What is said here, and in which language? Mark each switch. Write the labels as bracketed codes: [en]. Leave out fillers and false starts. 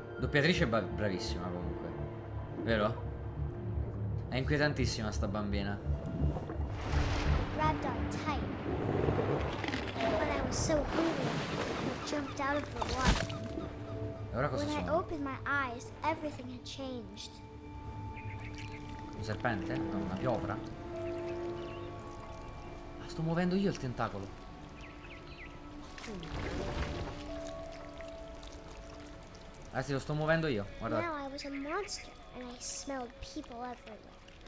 [it] Beatrice è bravissima comunque, vero? È inquietantissima sta bambina. [en] Grabbed on tight, but I was so hungry, I jumped out of the water. [it] E ora cosa [en] When [it] sono? [en] I opened my eyes, everything had changed. [it] Un serpente? No, una piovra? Ma sto muovendo io il tentacolo. Adesso lo sto muovendo io, guarda. [en] Now I was a monster and I smelled people everywhere.